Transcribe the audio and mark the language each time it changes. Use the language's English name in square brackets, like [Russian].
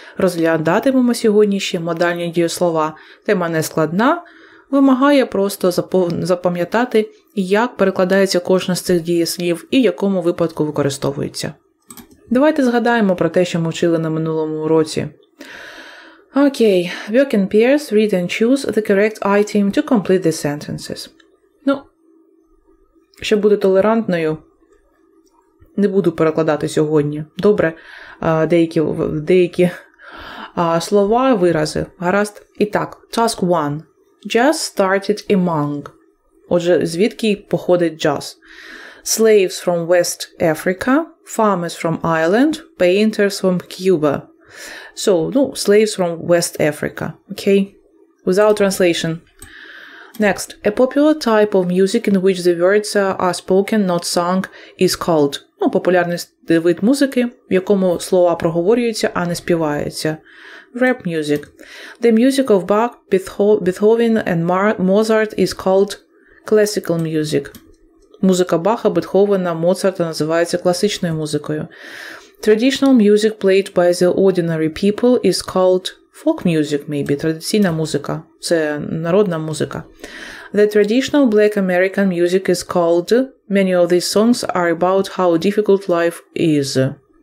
[Ukrainian] Розглядатимемо сьогодні ще модальні дієслова. Тема не складна. Вимагає просто запам'ятати, як перекладається кожна з цих дієслів і в якому випадку використовується. Давайте згадаємо про те, що ми вчили на минулому уроці. [English] Окей, work in pairs, read and choose the correct item to complete the sentences. [Ukrainian] Ну, щоб бути толерантною, не буду перекладати сьогодні. Добре, деякі слова, вирази. Гаразд. І так, [English] task one. Jazz started among. [Ukrainian] Отже, звідки походить джаз? [English] Slaves from West Africa, farmers from Ireland, painters from Cuba. So, ну, slaves from West Africa. Okay? Without translation. Next. A popular type of music in which the words are spoken, not sung, is called. [Ukrainian] Ну, популярний вид музики, в якому слова проговорюються, а не співаються. [English] Rap music. The music of Bach, Beethoven and Mozart is called classical music. [Ukrainian] Музика Баха, Бетховена, Моцарта називається класичною музикою. [English] Traditional music played by the ordinary people is called folk music, maybe. [Ukrainian] Традиційна музика. Це народна музика. [English] The traditional black American music is called. Many of these songs are about how difficult life is.